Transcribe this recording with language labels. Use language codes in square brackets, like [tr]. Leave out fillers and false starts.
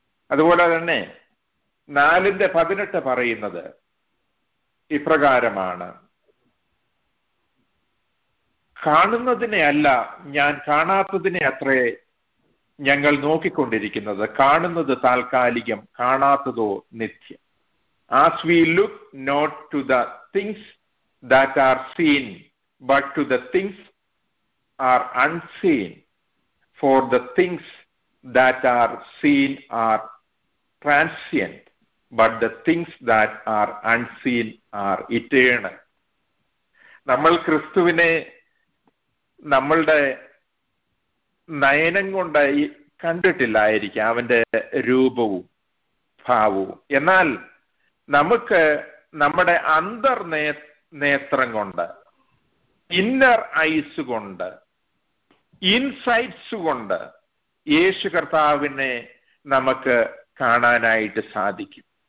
[ml] അതുപോലെ തന്നെ 4:18 പറയുന്നത് ഇപ്രകാരമാണ്, കാണുന്നതിനെ അല്ല ഞാൻ കാണാത്തതിനെ അത്രേ ഞങ്ങൾ നോക്കിക്കൊണ്ടിരിക്കുന്നത്. കാണുന്നത് താൽക്കാലികം, കാണാത്തതോ നിത്യം. [en] As we look not to the things that are seen, but to the things are unseen. For the things that are seen are transient, but the things that are unseen are eternal. [ml] നമ്മൾ ക്രിസ്തുവിനെ നമ്മളുടെ നയനം കൊണ്ട് കണ്ടിട്ടില്ലായിരിക്കും, അവന്റെ രൂപവും ഭാവവും. എന്നാൽ നമുക്ക് നമ്മുടെ അന്തർനേത്രം കൊണ്ട്, ഇന്നർ ഐസ് കൊണ്ട്, ഇൻസൈറ്റ്സ് കൊണ്ട് യേശു കർത്താവിനെ നമുക്ക് കാണാനായിട്ട് സാധിക്കും.